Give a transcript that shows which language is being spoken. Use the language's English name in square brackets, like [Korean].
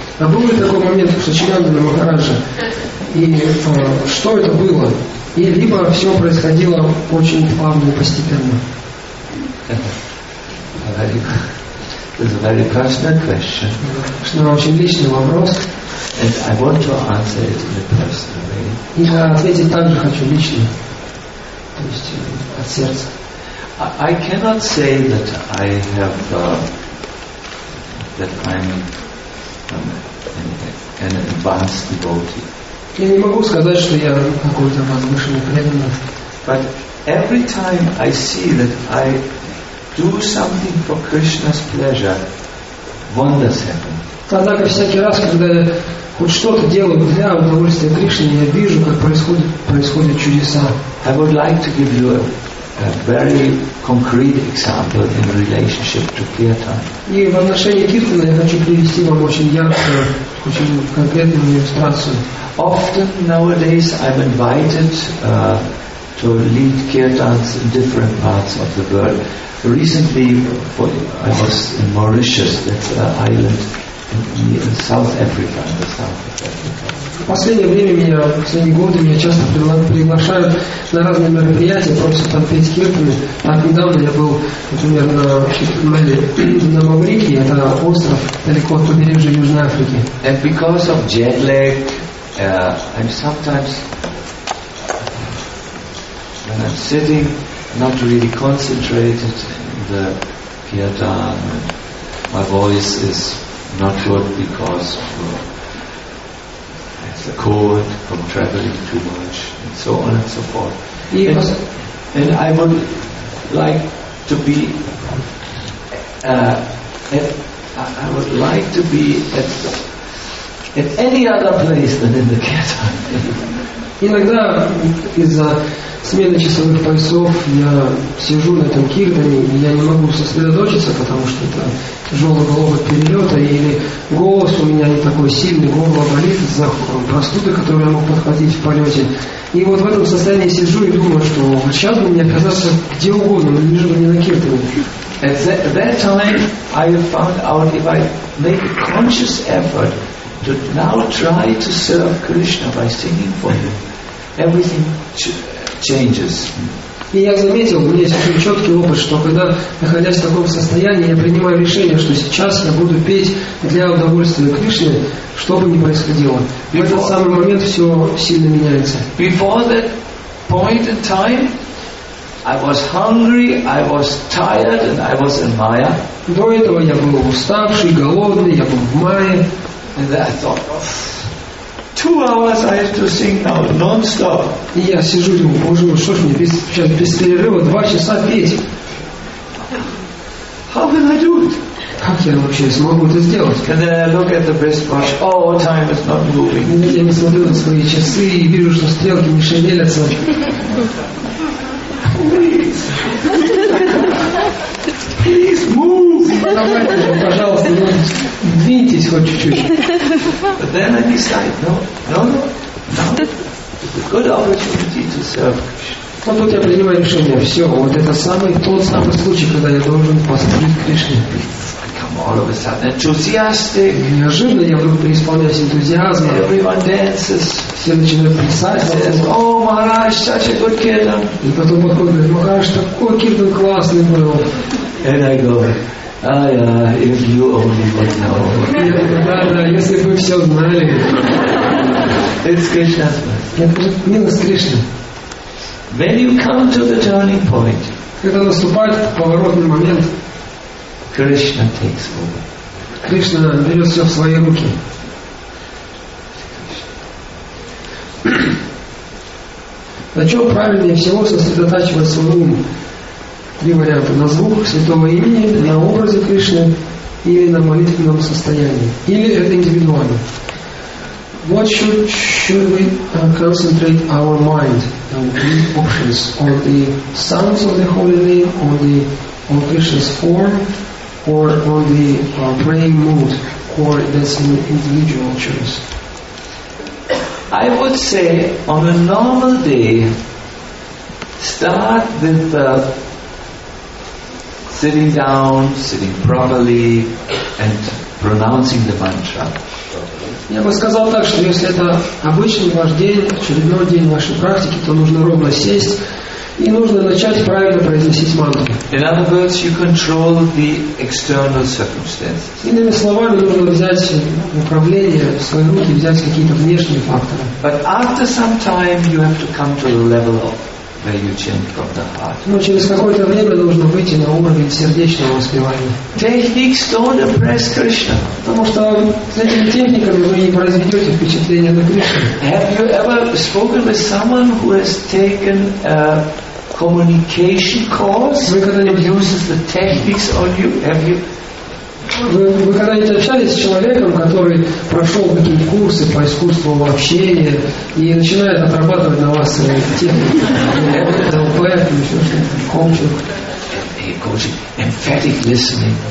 [Russian] А был ли такой момент у Сачинанда Махараджа? И что это было? И либо все происходило очень плавно и постепенно. [English] It's a very personal question. [Russian] Что очень личный вопрос. [English] And I want to answer it in a personal way. [Russian] И я ответить также хочу лично, то есть от сердца. [English] I cannot say that I have that I'm an advanced devotee. [Russian] Я не могу сказать, что я какой-то возвышенный преданный. [English] But every time I see that I do something for Krishna's pleasure, wonders happen. [Russian] Тогда всякий раз, когда я хоть что-то делаю для удовольствия Кришны, я вижу, как происходят чудеса. [English] I would like to give you a very concrete example in relationship to kirtan. [Russian] И в отношении киртана я хочу привести вам очень яркую, очень конкретную иллюстрацию. [English] Often nowadays I'm invited to lead kirtans in different parts of the world. Recently, I was in Mauritius, that's an island in South Africa, in the south of Africa. [Russian] В последние годы меня часто приглашают на разные мероприятия, просто там петь киртаны. Так недавно я был, например, на Маврикии, это остров далеко от побережья Южной Африки. [English] And because of jet lag, I'm sometimes when I'm sitting, not really concentrated in the kirtan, and my voice is not good because of the cold from traveling too much, and so on and so forth. And I would like to be at any other place than in the kirtan. [Russian] Иногда из-за смены часовых поясов я сижу на этом киртане, и я не могу сосредоточиться, потому что это тяжелый головок перелета, или голос у меня не такой сильный, горло болит из-за простуды, которую я мог подхватить в полете. И вот в этом состоянии сижу и думаю, что сейчас бы мне оказаться где угодно, но лишь бы не на киртане. [English] At that time I found out if I make a conscious effort to now try to serve Krishna by singing for him, everything changes. [Russian] И я заметил, у меня есть очень четкий опыт, что когда, находясь в таком состоянии, я принимаю решение, что сейчас я буду петь для удовольствия Кришны, что бы ни происходило. В этот самый момент все сильно меняется. [English] Before that point in time, I was hungry, I was tired, and I was in Maya. [Russian] До этого я был уставший, голодный, я был в Майе. [English] And I thought, two hours I have to sing now, non-stop. [Russian] И я сижу и думаю, боже мой, что ж мне сейчас без перерыва два часа петь? [English] How can I do it? [Russian] Как я вообще смогу это сделать? [English] And then I look at the wristwatch. Oh, time is not moving. [Russian] Я не смотрю на свои часы и вижу, что стрелки не шевелятся. [English] Please move. [Russian] Давайте, пожалуйста, двиньтесь хоть чуть-чуть. [English] But then I decide, no. It's a good opportunity to serve Krishna. [Russian] Вот я принимаю решение, все, вот это тот самый случай, когда я должен послужить Кришне. [English] Come all of a sudden enthusiastic. [Russian] Неожиданно я вдруг преисполняюсь энтузиазмом. [English] Everyone dances. [Russian] Все начинают плясать. [English] Oh, Maharaj, such a good kirtan. [Russian] И потом подходит, говорит, Махараш, такой кирдан классный был. [English] And I go, if you only would know. [Russian] Да, если бы вы все знали. [English] It's Krishna's mercy. [Russian] Я говорю, милость Кришны. [English] When you come to the turning point, [Russian] когда наступает поворотный момент, [English] Krishna takes over. [Russian] Кришна берет все в свои руки. На чем правильнее всего сосредотачивать свой ум? Три варианта. На звуках святого имени, на образе Кришны или на молитвенном состоянии. Или это индивидуально. [English] What should we concentrate our mind? Three options. On the sounds of the holy name, on Krishna's form, or on the praying mood, or that's an individual choice. I would say on a normal day, start with sitting down, sitting properly, and pronouncing the mantra properly. [Russian] Я бы сказал так, что если это обычный ваш день, очередной день вашей практики, то нужно ровно сесть и нужно начать правильно произносить мантру. [English] In other words, you control the external circumstances. [Russian] Иными словами, нужно взять управление в свои руки, взять какие-то внешние факторы. [English] But after some time, you have to come to the level of where you chant from the heart. [Russian] Но через какое-то время нужно выйти на уровень сердечного воспевания. [English] Techniques don't impress Krishna. [Russian] Потому что с этими техниками вы не произведете впечатление на Кришну. [English] Have you ever spoken with someone who has taken a communication course? [Russian] Вы когда-нибудь [English] uses the techniques on you? Have you? [Russian] Вы когда-нибудь общались с человеком, который прошел какие-то курсы по искусству общения и начинает отрабатывать на вас технику? [English] Coaching, emphatic listening.